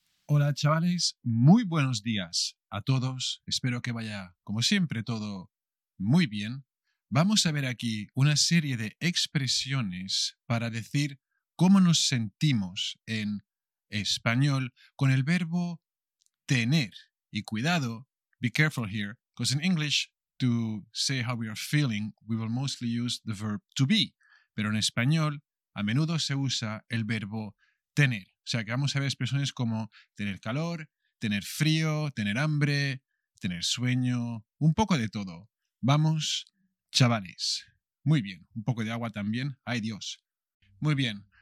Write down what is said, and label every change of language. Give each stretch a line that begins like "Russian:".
Spanish: Hola chavales, muy buenos días a todos. Espero que vaya, como siempre, todo muy bien. Vamos a ver aquí una serie de expresiones para decir cómo nos sentimos en español con el verbo tener. Y cuidado,
English: be careful here, because in English, to say how we are feeling, we will mostly use the verb to be.
Spanish: Pero en español, a menudo se usa el verbo tener. O sea, que vamos a ver expresiones como tener calor, tener frío, tener hambre, tener sueño, un poco de todo. Vamos, chavales. Muy bien, un poco de agua también. ¡Ay, Dios! Muy bien.